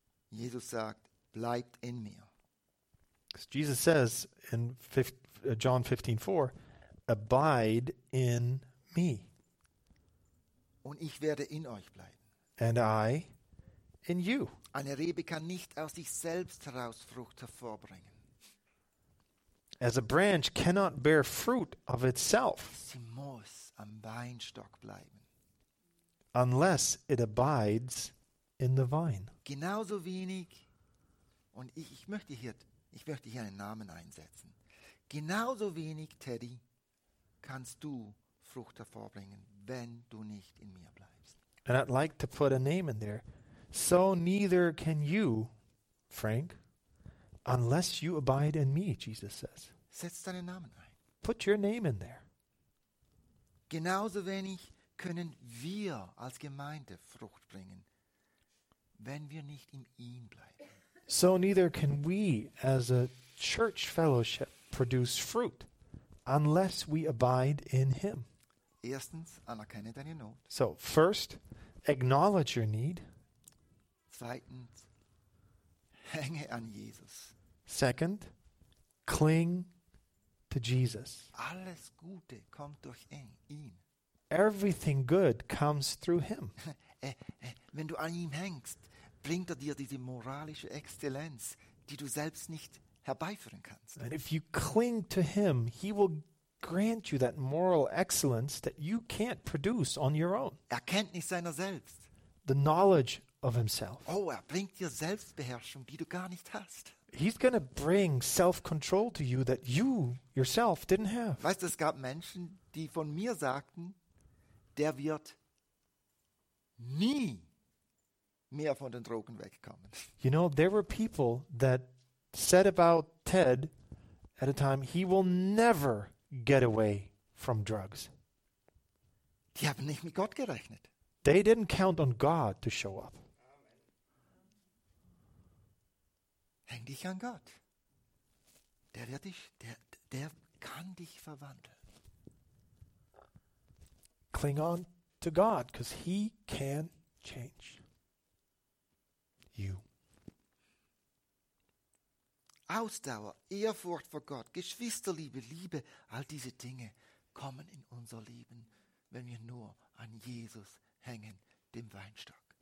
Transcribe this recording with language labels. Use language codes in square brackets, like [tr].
[de] Jesus sagt, bleibt in mir. [en] Because Jesus says in John 15:4, abide in me. [de] Und ich werde in euch bleiben. [en] And I in you. [de] Eine Rebe kann nicht aus sich selbst heraus Frucht hervorbringen. [en] As a branch cannot bear fruit of itself. [de] Sie muss am Weinstock bleiben. [en] Unless it abides in the vine. [de] Genauso wenig, und ich möchte hier einen Namen einsetzen. Genauso wenig, Teddy, kannst du Frucht hervorbringen, wenn du nicht in mir bleibst. [en] And I'd like to put a name in there. So neither can you, Frank, unless you abide in me, Jesus says. [de] Setz deinen Namen ein. [en] Put your name in there. [de] Genauso wenig können wir als Gemeinde Frucht bringen, wenn wir nicht in ihm bleiben. [en] So neither can we as a church fellowship produce fruit unless we abide in him. [de] Erstens, anerkenne deine Not. [en] So, first, acknowledge your need. [de] Zweitens, hänge an Jesus. [en] Second, cling to Jesus. [de] Alles Gute kommt durch ihn. [en] Everything good comes through him. [de] Wenn du an ihm hängst, bringt er dir diese moralische Exzellenz, die du selbst nicht herbeiführen kannst. [en] And if you cling to him, he will grant you that moral excellence that you can't produce on your own. [de] Erkenntnis seiner selbst. [en] The knowledge of himself. [de] Oh, bringt dir Selbstbeherrschung, die du gar nicht hast. [en] He's going to bring self-control to you that you yourself didn't have. [de] Weißt du, es gab Menschen, die von mir sagten, der wird nie mehr von den Drogen wegkommen. [en] You know, there were people that said about Ted at a time, he will never get away from drugs. [de] Die haben nicht mit Gott gerechnet. [en] They didn't count on God to show up. [de] Häng dich an Gott. Der wird dich, der kann dich verwandeln. [en] Cling on to God, because he can change you. [de] Ausdauer, Ehrfurcht vor Gott, Geschwisterliebe, Liebe, all diese Dinge kommen in unser Leben, wenn wir nur an Jesus hängen, dem Weinstock.